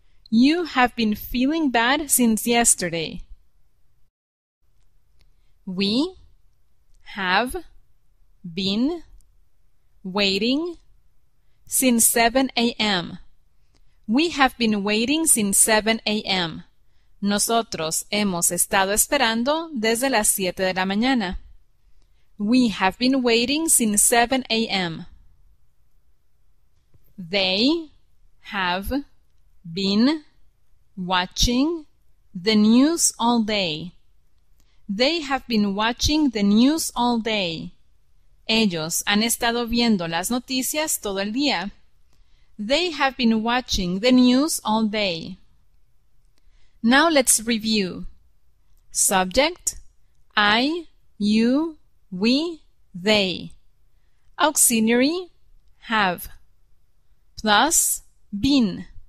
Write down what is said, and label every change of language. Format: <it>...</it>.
<en>You have been feeling bad since yesterday. We have been waiting since 7 a.m. We have been waiting since 7 a.m.</en> <es>Nosotros hemos estado esperando desde las 7 de la mañana.</es> <en>We have been waiting since 7 a.m. They have been watching the news all day. They have been watching the news all day.</en> <es>Ellos han estado viendo las noticias todo el día.</es> <en>They have been watching the news all day. Now let's review. Subject, I, you, we, they. Auxiliary, have. Plus, been.</en>